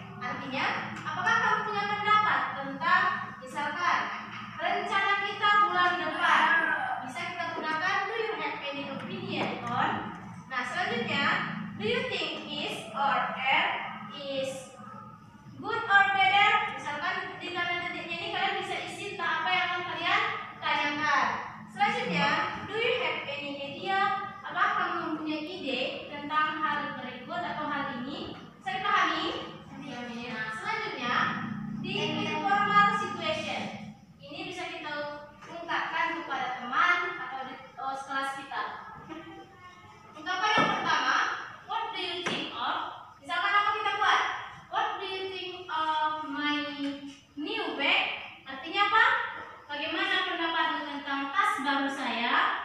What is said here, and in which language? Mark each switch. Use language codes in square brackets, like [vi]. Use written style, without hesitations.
[id] Artinya, apakah kamu punya pendapat tentang misalkan rencana kita bulan depan? Bisa kita gunakan [en] do you have any opinion on? [id] Nah, selanjutnya, [en] do you think is or am is good or better? [id] Misalkan di tanda titiknya ini kalian bisa isi tentang apa yang kalian tanyakan. Selanjutnya, [en] do you have any idea? [id] Apakah kamu mempunyai ide tentang hal berikut atau hal ini? Saya pahami. Nah, selanjutnya di [en] informal situation [id] ini bisa kita ungkapkan kepada teman atau di kelas kita. Ungkapan yang pertama, [en] what do you think of? [id] Misalkan apa kita buat? [en] What do you think of my new bag? [id] Artinya apa? Bagaimana pendapatmu tentang tas baru saya?